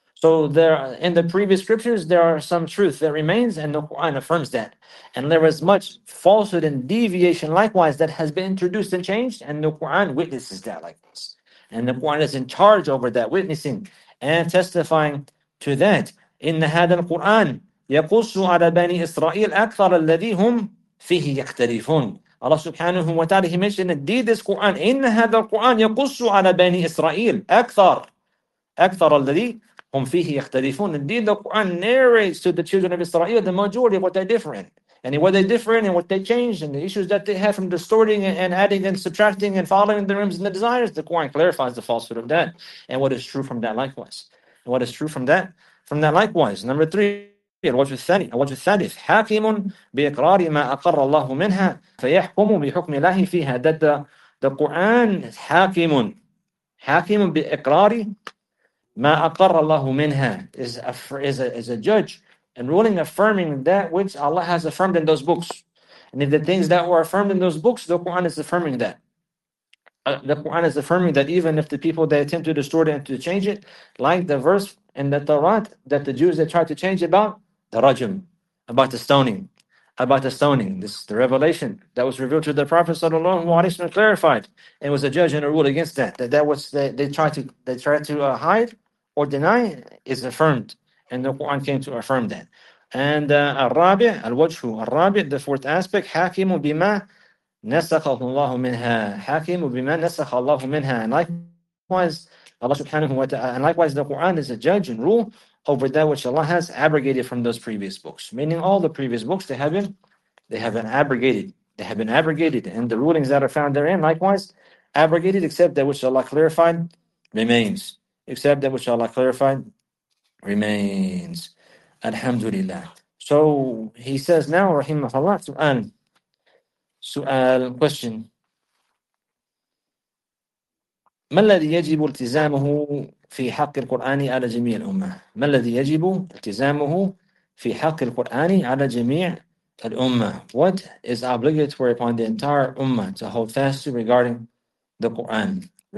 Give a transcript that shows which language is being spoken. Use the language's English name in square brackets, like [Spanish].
[English] So there, in the previous scriptures, there are some truth that remains, and the Quran affirms that. And there was much falsehood and deviation likewise that has been introduced and changed, and the Quran witnesses that like this. And the Quran is in charge over that witnessing and testifying to that. In the [Arabic] هذا القرآن يقص على بني إسرائيل أكثر الذي هم فيه يختلفون. [English] Allah subhanahu wa ta'ala, He mentioned indeed this Quran. [Arabic] In هذا القرآن يقص على بني إسرائيل أكثر الذي هم فيه يختلفون. [English] Indeed, the Quran narrates to the children of Israel the majority of what they differ in. And what they differ in and what they change and the issues that they have from distorting and adding and subtracting and following the whims and the desires. The Quran clarifies the falsehood of that and what is true from that likewise. And what is true from that likewise. Number three, [Arabic] الوجه الثالث, حاكم بإقرار ما أقر الله منها فيحكم بحكم الله فيها. [English] That the Quran is [Arabic] حاكم بإقرار ما أقر الله منها, [English] is a judge and ruling, affirming that which Allah has affirmed in those books. And if the things that were affirmed in those books, the Quran is affirming that. The Quran is affirming that even if the people, they attempt to distort it and to change it, like the verse in the Torah that the Jews, they tried to change about the rajm, about the stoning. This is the revelation that was revealed to the Prophet sallallahu alaihi wasallam, clarified, and was a judge and a rule against that. That was they tried to hide or deny is affirmed, and the Quran came to affirm that. [Arabic] And الرابع الوجه الرابع, [English] the fourth aspect, [Arabic] حاكم بما نسخه الله منها, حاكم بما نسخ الله منها. [English] And likewise, Allah subhanahu wa ta'ala, and likewise, the Quran is a judge and rule over that which Allah has abrogated from those previous books. Meaning all the previous books, they have been abrogated. And the rulings that are found therein, likewise, abrogated, except that which Allah clarified remains. Except that which Allah clarified remains. Alhamdulillah. So he says now, rahimahullah, سؤال question. [Arabic] ما الذي يجب التزامه في حق القرآن على جميع الأمة؟ ما الذي يجب التزامه في حق القرآن على جميع الأمة؟ [English] What is obligatory upon the entire ummah to hold fast to regarding the Quran?